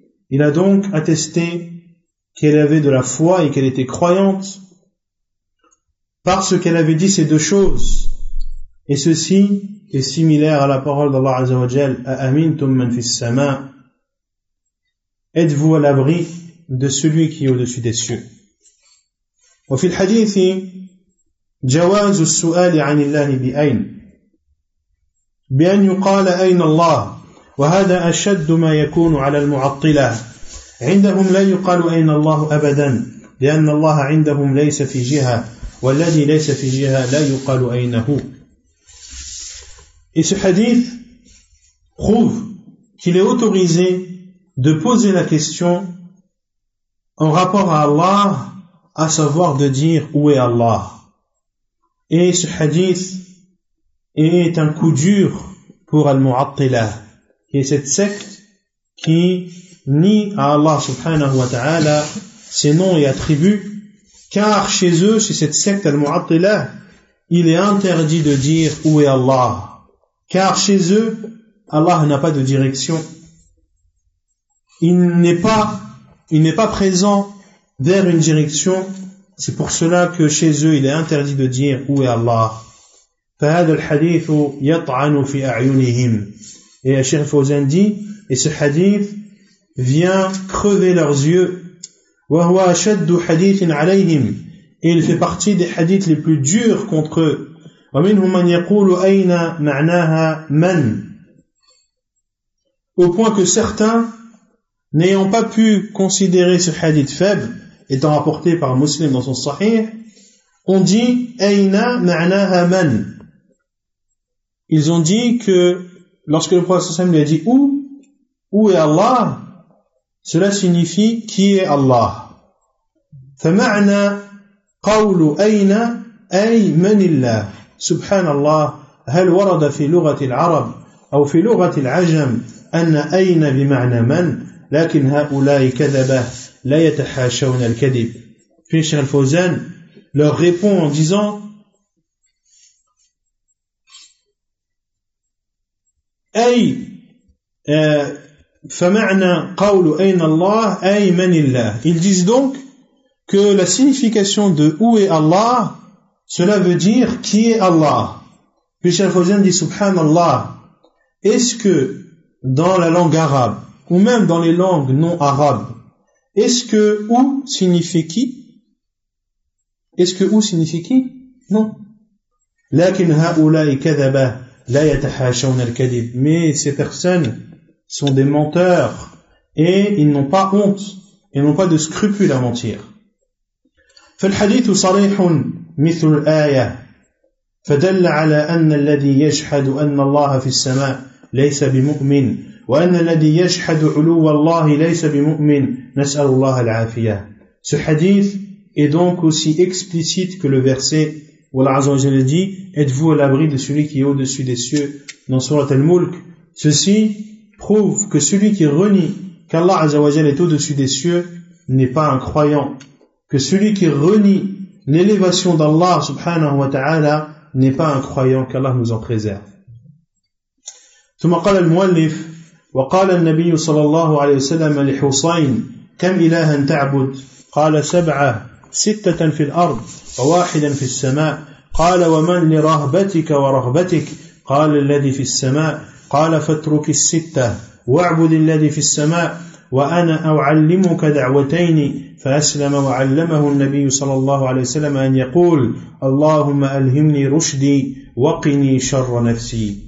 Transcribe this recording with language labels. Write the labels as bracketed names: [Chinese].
[French] Il a donc attesté qu'elle avait de la foi et qu'elle était croyante parce qu'elle avait dit ces deux choses. Et ceci est similaire à la parole d'Allah Azza wa Jal, [Arabic] Aamintum man fis sama, [French] êtes-vous à l'abri de celui qui est au-dessus des cieux. [Arabic] Wa fil hadith jawaz as-su'al 'an Allah bi ayn بأن يقال أين الله وهذا أشد ما يكون على المعطلة عندهم لا يقال أين الله أبدا لأن الله عندهم ليس في جهة والذي ليس في جهة لا يقال أين هو. [French] Et ce hadith prouve qu'il est autorisé de poser la question en rapport à Allah, à savoir de dire où est Allah. Et ce hadith est un coup dur pour Al-Mu'attilah, qui est cette secte qui nie à Allah subhanahu wa ta'ala ses noms et attributs, car chez eux, chez cette secte Al-Mu'attilah, il est interdit de dire où est Allah, car chez eux, Allah n'a pas de direction. Il n'est pas présent vers une direction, c'est pour cela que chez eux, il est interdit de dire où est Allah. [Arabic] فهذا الحديث يطعن في أعينهم. [French] Et Cheikh Fawzan dit, et ce hadith vient crever leurs yeux. [Arabic] وهو أشد حديث عليهم. [French] Et il fait partie des hadiths les plus durs contre eux. [Arabic] ومنهم من يقول أين معناها من. [French] Au point que certains, n'ayant pas pu considérer ce hadith faible, étant rapporté par un musulman dans son sahih, ont dit [Arabic] أين معناها من. [French] Ils ont dit que lorsque le prophète sallam lui a dit où est Allah, cela signifie qui est Allah. [Arabic] فمعنى قول أين أي من الله سبحان الله هل ورد في لغة العرب أو في لغة العجم أن أين بمعنى من لكن هؤلاء كذبة لا يتحاشون الكذب. [French] Puis Cheikh Fawzan leur répond en disant [Arabic] أي فمعنى قول أين الله أي من الله. [French] Ils disent donc que la signification de où est Allah, cela veut dire qui est Allah. Puis Cheikh Fawzan dit Subhanallah. Est-ce que dans la langue arabe ou même dans les langues non arabes, est-ce que où signifie qui? Est-ce que où signifie qui? Non. [Arabic] لكن هؤلاء كذبا لا يتحاشون الكذب. [French] Mais ces personnes sont des menteurs et ils n'ont pas honte et n'ont pas de scrupules à mentir. [Arabic] فالحديث صريح مثل الآية فدل على أن الذي يجحد أن الله في السماء ليس بمؤمن وأن الذي يجحد علو الله ليس بمؤمن نسأل الله العافية. [French] Ce hadith est donc aussi explicite que le verset où Allah Azza wa Jalla dit « Êtes-vous à l'abri de celui qui est au-dessus des cieux ?» dans Surat Al-Mulk. Ceci prouve que celui qui renie qu'Allah Azza wa Jalla est au-dessus des cieux n'est pas un croyant. Que celui qui renie l'élévation d'Allah subhanahu wa ta'ala n'est pas un croyant. Qu'Allah nous en préserve. [Arabic] « Thumma qala al-muallif wa qala al-Nabiyyu sallallahu alayhi wa sallam al-Husayn kam ilahan ta'bud qala sab'a ستة في الأرض وواحدا في السماء قال ومن لرهبتك ورهبتك قال الذي في السماء قال فاترك الستة واعبد الذي في السماء وأنا أعلمك دعوتين فأسلم وعلمه النبي صلى الله عليه وسلم أن يقول اللهم ألهمني رشدي وقني شر نفسي.